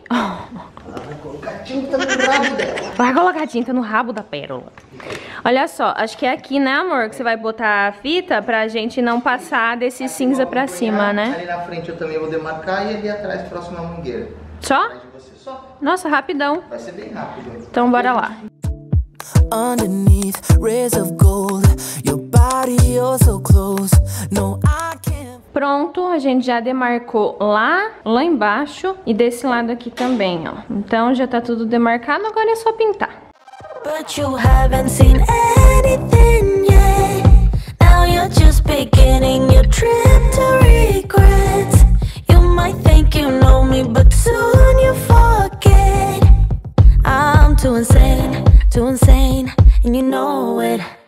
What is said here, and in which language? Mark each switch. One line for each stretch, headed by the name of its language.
Portuguese: Ela vai colocar tinta no rabo dela. Vai colocar tinta no rabo da Pérola. Olha só, acho que é aqui, né, amor, que você vai botar a fita pra gente não passar desse aqui, cinza pra cima, né? Ali na frente eu também vou demarcar e ali atrás, próximo à mangueira. Só? De você, só. Nossa, rapidão. Vai ser bem rápido. Então bora lá.
English: Underneath rays of gold, your body you're so close. No, I can't.
Portuguese: Pronto, a gente já demarcou lá embaixo e desse lado aqui também, ó. Então já tá tudo demarcado, agora é só pintar.
English: But you haven't seen anything yet. Now you're just beginning your trip to regret. You might think you know me, but soon you forget. I'm too insane. Too insane, and you know it.